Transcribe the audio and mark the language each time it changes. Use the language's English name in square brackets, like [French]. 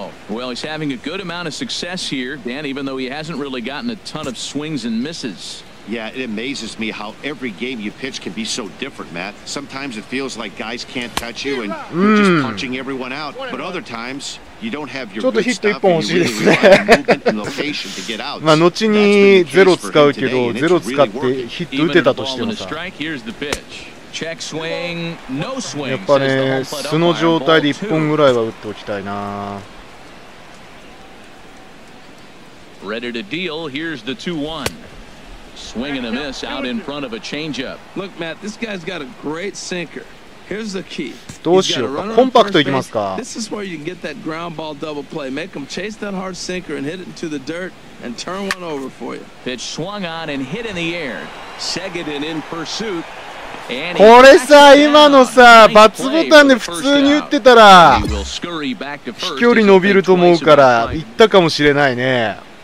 [English] Well, he's having a good amount of success here, Dan, even though he hasn't really gotten a ton of swings and misses. Yeah, it amazes me how every game you pitch can be so different, Matt. Sometimes it feels like guys can't touch you and you're just punching everyone out. But other times you don't have your good stuff and you really want to move in location to get out. [Japanese] まあ後にゼロ使うけど、ゼロ使ってヒット打てたとしてもさ。 [English] Check swing, no swing. [Japanese] やっぱね、素の状態で1本ぐらいは打っておきたいな。 [English] Ready to deal. Here's the 2-1. Swing and a miss out in front of a changeup. Look, Matt, this guy's got a great sinker. Here's the key. [Japanese] どうしようか。コンパクトいきますか。 [English] This is where you can get that ground ball double play. Make him chase that hard sinker and hit it into the dirt and turn one over for you. Pitch swung on and hit in the air. Segedin in pursuit. [Japanese] これさ、今のさ、バツボタンで普通に打ってたら飛距離伸びると思うから行ったかもしれないね。